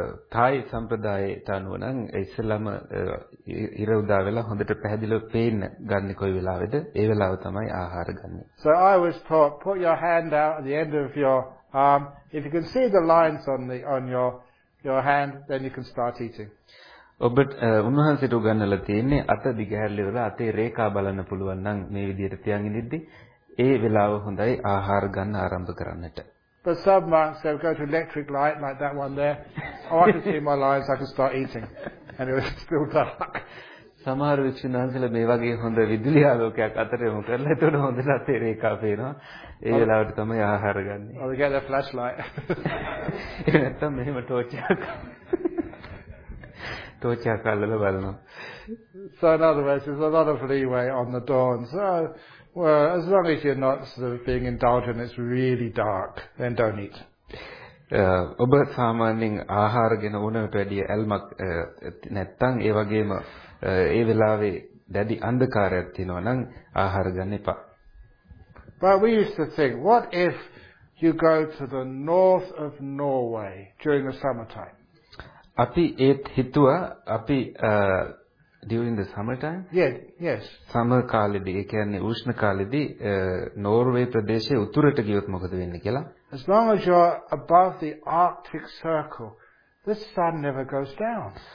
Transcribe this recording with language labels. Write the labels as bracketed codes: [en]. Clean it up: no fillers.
[si] Thai සම්ප්‍රදායේ තනුව නම් ඉස්සෙල්ලාම ඉර උදා වෙලා හොඳට පැහැදිලිව පේන්න ගන්න කොයි වෙලාවෙද ඒ වෙලාව තමයි ආහාර ගන්න. [en] So I was taught, put your hand out at the end of your if you can see the lines on your hand, then you can start eating. [si] ඔබට උන්වහන්සේට උගන්වලා තියෙන්නේ අත දිගහැරලා අතේ රේඛා බලන්න පුළුවන් නම් මේ විදිහට තියාගෙන ඉද්දි ඒ වෙලාව හොඳයි ආහාර ගන්න ආරම්භ කරන්නට. [en] But some monks have got an electric light like that one there. Oh, I can see my lines, I can start eating. And it was still dark. [si] සමහර විචිනාන්සලා මේ වගේ හොඳ විදුලි ආලෝකයක් අතර යොමු කරලා එතන හොඳට රේඛා පේනවා. ඒ වෙලාවට තමයි ආහාර ගන්න. [en] Oh, they got a flashlight. [si] නැත්තම් මෙහෙම ටෝච් එකක් අල්ලලා බලනවා. [en] So in other words, there's a lot of leeway on the dawn. So, well, as long as you're not sort of being indulgent, it's really dark, then don't eat. [si] ඔබ සාමාන්‍යයෙන් ආහාර ගැන උනට වැඩිය ඇල්මක් නැත්තම් ඒ වගේම ඒ වෙලාවේ දැඩි අන්ධකාරයක් තියෙනවා නම් ආහාර ගන්න එපා. [en] But we used to think, what if you go to the north of Norway during the summertime? [si] අපි ඒත් හිතුවා අපි [en] during the summertime? Yes. [si] Summer කාලෙදී, ඒ කියන්නේ උෂ්ණ කාලෙදී නෝර්වේ ප්‍රදේශයේ උතුරට ගියොත් මොකද වෙන්නේ කියලා? [en] As long as you're above the Arctic Circle, the sun never goes down.